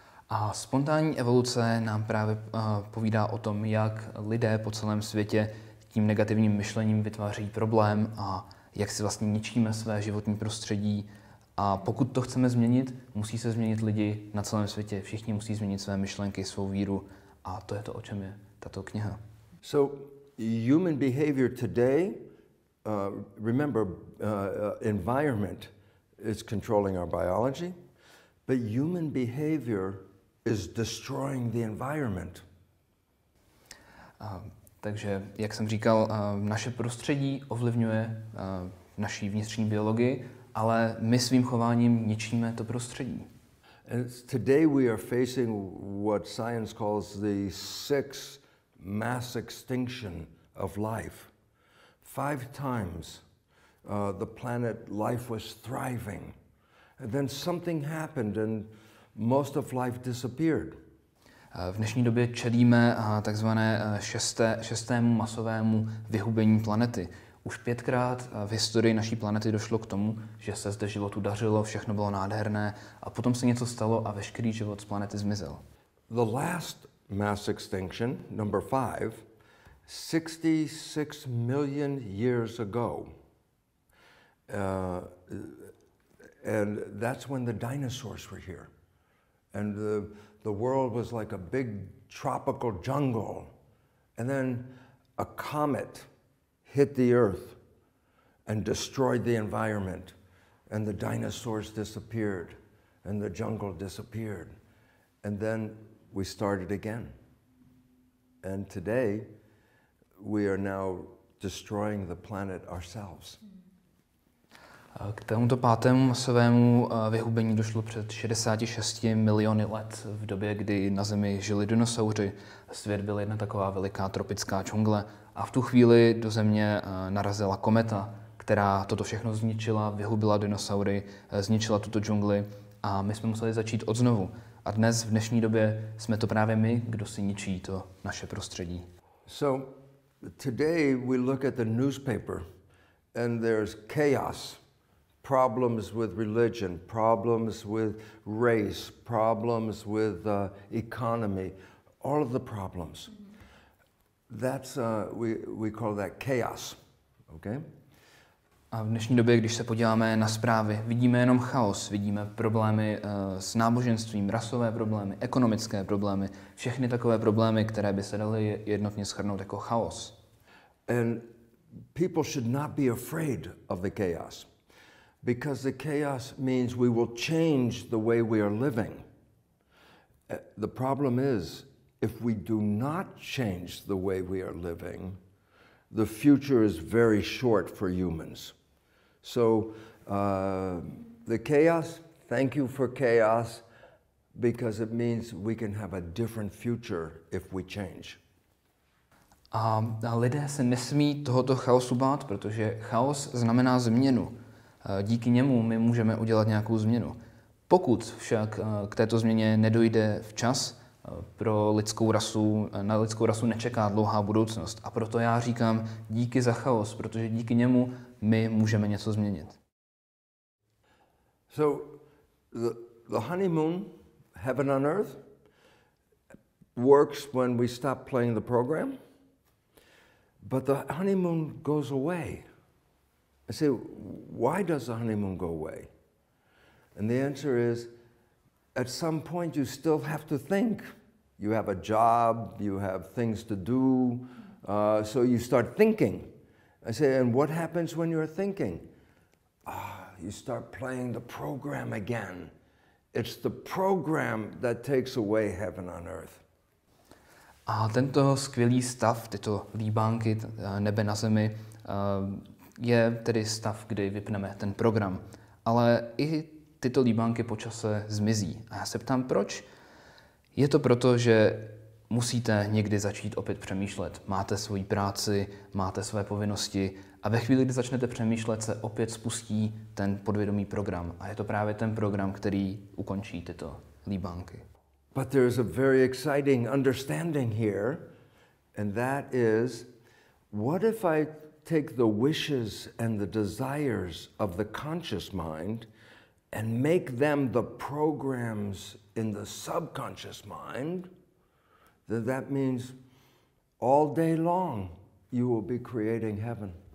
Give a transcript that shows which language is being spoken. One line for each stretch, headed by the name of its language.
Czech: A spontánní evoluce nám právě povídá o tom, jak lidé po celém světě tím negativním myšlením vytváří problém a jak si vlastně ničíme své životní prostředí. A pokud to chceme změnit, musí se změnit lidi na celém světě. Všichni musí změnit své myšlenky, svou víru. A to je to, o čem je tato kniha.
English: So, human behavior today, remember, environment is controlling our biology. But human behavior is destroying the environment.
Czech: Takže, jak jsem říkal, naše prostředí ovlivňuje naší vnitřní biologii, ale my svým chováním ničíme to prostředí.
English: Today we are facing what science calls the sixth mass extinction of life. Five times the planet life was thriving. And then something happened and most of life disappeared.
Czech: V dnešní době čelíme takzvané šestému masovému vyhubení planety. Už pětkrát v historii naší planety došlo k tomu, že se zde život udařilo, všechno bylo nádherné a potom se něco stalo a veškerý život z planety zmizel.
English: The last mass extinction, number 5, 66 million years ago. And that's when the dinosaurs were here. And the world was like a big tropical jungle. And then a comet hit the earth and destroyed the environment. And the dinosaurs disappeared and the jungle disappeared. And then we started again. And today we are now destroying the planet ourselves.
Czech: K tomuto pátému masovému vyhubení došlo před 66 miliony let v době, kdy na Zemi žili dinosauři. Svět byl jedna taková veliká tropická džungle a v tu chvíli do Země narazila kometa, která toto všechno zničila, vyhubila dinosaury, zničila tuto džungli a my jsme museli začít odznovu. A dnes, v dnešní době, jsme to právě my, kdo si ničí to naše prostředí.
English: So, today we look at the newspaper and there's chaos. Problems with religion, problems with race, problems with economy, all of the problems. That's we call that chaos. Okay?
Czech: A v dnešní době, když se podíváme na zprávy, vidíme jenom chaos, vidíme problémy s náboženstvím, rasové problémy, ekonomické problémy, všechny takové problémy, které by se daly jednotně shrnout jako chaos.
English: And people should not be afraid of the chaos. Because the chaos means we will change the way we are living. The problem is, if we do not change the way we are living, the future is very short for humans. So, the chaos, thank you for chaos, because it means we can have a different future if we change.
Czech: A lidé se nesmí tohoto chaosu bát, protože chaos znamená změnu. Díky němu my můžeme udělat nějakou změnu. Pokud však k této změně nedojde včas, pro lidskou rasu, na lidskou rasu nečeká dlouhá budoucnost. A proto já říkám díky za chaos, protože díky němu my můžeme něco změnit.
English: So, the honeymoon, heaven on earth, works when we stop playing the program, but the honeymoon goes away. I say, why does the honeymoon go away? And the answer is, at some point you still have to think. You have a job, you have things to do, so you start thinking. I say, and what happens when you're thinking? You start playing the program again. It's the program that takes away heaven on earth.
Czech: A tento skvělý stav, tyto líbánky, nebe na zemi, je tedy stav, kdy vypneme ten program. Ale i tyto líbánky po čase zmizí. A já se ptám, proč? Je to proto, že musíte někdy začít opět přemýšlet. Máte svoji práci, máte své povinnosti a ve chvíli, kdy začnete přemýšlet, se opět spustí ten podvědomý program. A je to právě ten program, který ukončí tyto líbánky.
English: But there is a very exciting understanding here, and that is, what if I take the wishes and the desires of the conscious mind and make them the programs in the subconscious mind, then that means all day long you will be creating heaven.